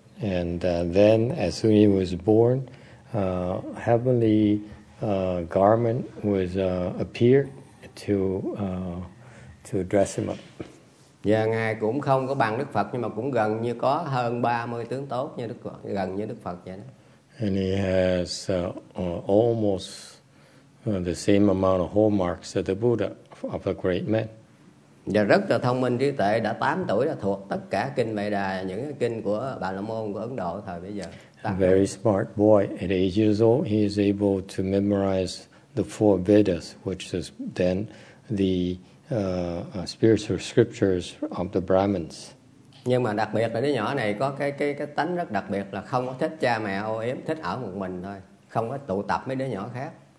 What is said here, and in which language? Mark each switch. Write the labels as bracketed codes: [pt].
[en] And then, as soon as he was born, heavenly garment was appeared to dress him up. [vi] Và ngài cũng không có bằng Đức Phật, nhưng mà cũng gần như có hơn 30 tướng tốt như Đức Phật, gần như Đức Phật vậy đó. [en] And he has almost the same amount of hallmarks of the Buddha, of the great men. [vi] Và rất là thông minh trí tuệ, đã 8 tuổi là thuộc tất cả kinh Vệ Đà, những kinh của Bà La Môn của Ấn Độ thời bây giờ. [en] A very smart boy. At 8 years old, he is able to memorize the four Vedas, which is then the spiritual scriptures of the Brahmins. [vi] Nhưng mà đặc biệt là đứa nhỏ này có cái tánh rất đặc biệt là không có thích cha mẹ ô yếm, thích ở một mình thôi, không có tụ tập mấy đứa nhỏ khác.